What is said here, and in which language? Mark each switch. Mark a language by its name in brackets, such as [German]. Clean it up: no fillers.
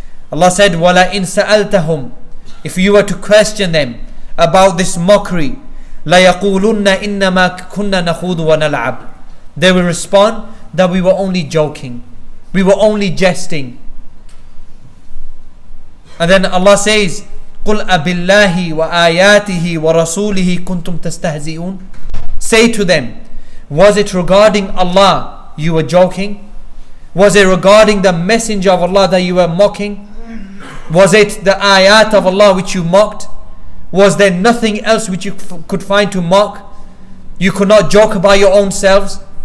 [English] Allah said, [Arabic] wala in sa'altahum, [English] if you were to question them about this mockery, [Arabic] la yaqulunna innama kunna nakhudhu wa nal'ab, [English] they will respond that we were only joking, we were only jesting. And then Allah says, [Arabic] قُلْ أَبِاللَّهِ وَآيَاتِهِ وَرَسُولِهِ كُنْتُمْ تَسْتَهْزِئُونَ. [English] Say to them, was it regarding Allah you were joking? Was it regarding the Messenger of Allah that you were mocking? Was it the ayat of Allah which you mocked? Was there nothing else which you could find to mock? You could not joke about your own selves?